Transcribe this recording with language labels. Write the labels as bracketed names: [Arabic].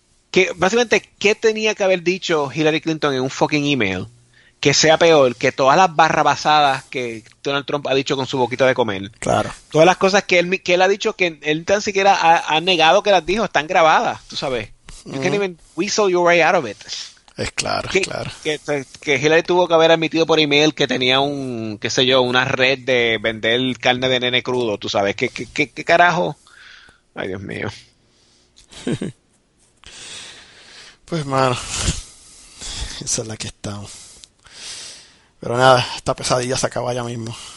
[Spanish] Que básicamente, ¿qué tenía que haber dicho Hillary Clinton en un fucking email que sea peor que todas las barrabasadas que Donald Trump ha dicho con su boquita de comer? Claro. Todas las cosas que él ha dicho, que él tan siquiera ha negado que las dijo, están grabadas, tú sabes. [English] You can't even weasel your way out of it. [Spanish] Es claro, Que Hillary tuvo que haber admitido por email que tenía un, qué sé yo, una red de vender carne de nene crudo, tú sabes. ¿Qué carajo? Ay, Dios mío. Pues, mano, esa es la que estamos. Pero nada, esta pesadilla se acaba ya mismo.